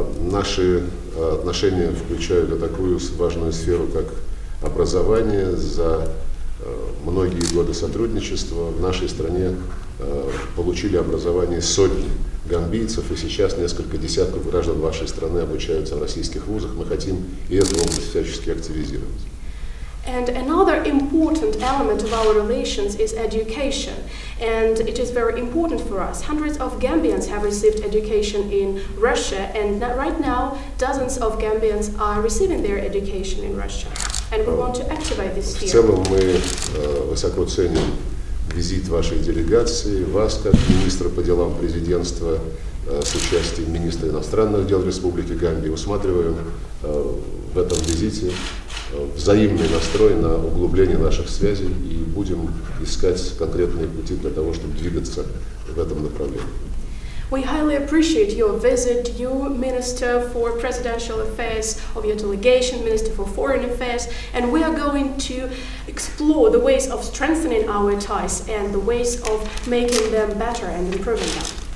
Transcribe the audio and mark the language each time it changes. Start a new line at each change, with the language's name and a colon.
Russian: Наши отношения включают такую важную сферу, как образование. За многие годы сотрудничества в нашей стране получили образование сотни гамбийцев, и сейчас несколько десятков граждан вашей страны обучаются в российских вузах. Мы хотим и эту область всячески активизировать.
English: And another important element of our relations is education, and it is very important for us. Hundreds of Gambians have received education in Russia, and right now dozens of Gambians are receiving their education in Russia. And we want to activate this sphere.
Russian: В целом мы высоко ценим визит вашей делегации, вас как министра по делам президентства с участием министра иностранных дел Республики Гамбии. Усматриваем в этом визите взаимный настрой на углубление наших связей и будем искать конкретные пути для того, чтобы двигаться в этом направлении.
English: We highly appreciate your visit, you Minister for Presidential Affairs of your delegation, Minister for Foreign Affairs, and we are going to explore the ways of strengthening our ties and the ways of making them better and improving them.